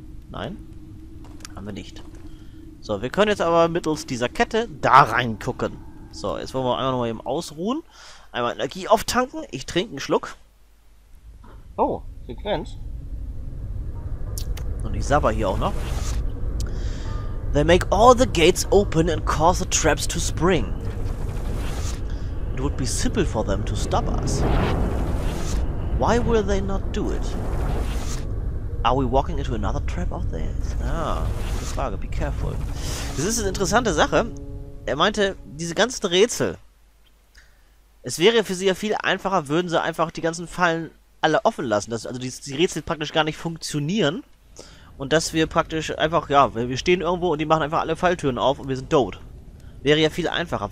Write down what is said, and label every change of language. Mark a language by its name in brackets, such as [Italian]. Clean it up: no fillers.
[German] Nein, haben wir nicht. So, wir können jetzt aber mittels dieser Kette da reingucken. So, jetzt wollen wir einfach nochmal eben ausruhen. Einmal Energie auftanken. Ich trinke einen Schluck. Oh, Sequenz. Und ich sabber hier auch noch. [English] They make all the gates open and cause the traps to spring. It would be simple for them to stop us. Why will they not do it? Are we walking into another trap out there? [German] Ah, gute Frage, [English] be careful. [German] Das ist eine interessante Sache. Er meinte, diese ganzen Rätsel. Es wäre für sie ja viel einfacher, würden sie einfach die ganzen Fallen alle offen lassen, dass also die Rätsel praktisch gar nicht funktionieren und dass wir praktisch einfach, ja, wir stehen irgendwo und die machen einfach alle Falltüren auf und wir sind tot. Wäre ja viel einfacher.